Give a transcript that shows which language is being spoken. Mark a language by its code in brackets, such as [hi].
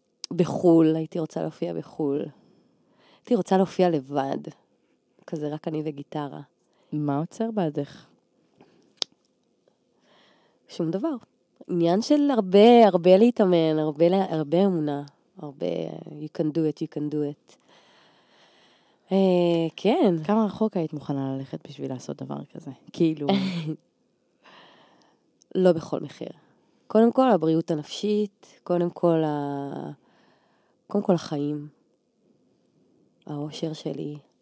[he] בחול, הייתי רוצה להופיע בחול. הייתי רוצה להופיע לבד. כזה רק אני וגיטרה. מה עוצר בעדך? שום דבר. עניין של הרבה, הרבה להתאמן, הרבה, הרבה אמונה. [en] הרבה, you can do it, you can do it. [he] כן. כמה רחוק היית מוכנה ללכת בשביל לעשות דבר כזה? כאילו. לא בכל מחיר. קודם כל, הבריאות הנפשית, קודם כל, קודם כל החיים, האושר שלי.